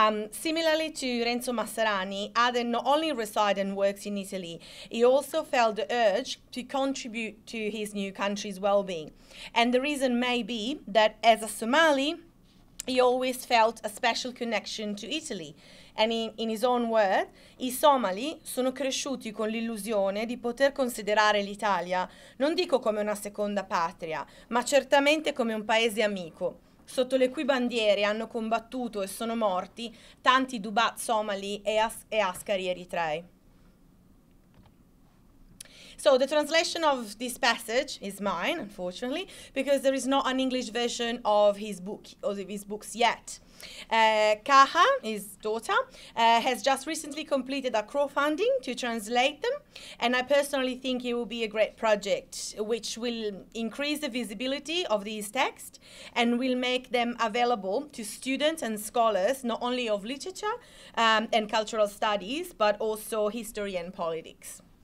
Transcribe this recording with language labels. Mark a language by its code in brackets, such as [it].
[en] Similarly to Renzo Masserani, Aden not only resides and works in Italy, he also felt the urge to contribute to his new country's well-being. And the reason may be that as a Somali, he always felt a special connection to Italy. And in his own words, [it] i Somali sono cresciuti con l'illusione di poter considerare l'Italia, non dico come una seconda patria, ma certamente come un paese amico, sotto le cui bandiere hanno combattuto e sono morti tanti Dubat Somali e Askari Eritrei. [en] So the translation of this passage is mine, unfortunately, because there is not an English version of his book or of his books yet. Kaha, his daughter, has just recently completed a crowdfunding to translate them, and I personally think it will be a great project which will increase the visibility of these texts and will make them available to students and scholars not only of literature and cultural studies but also history and politics.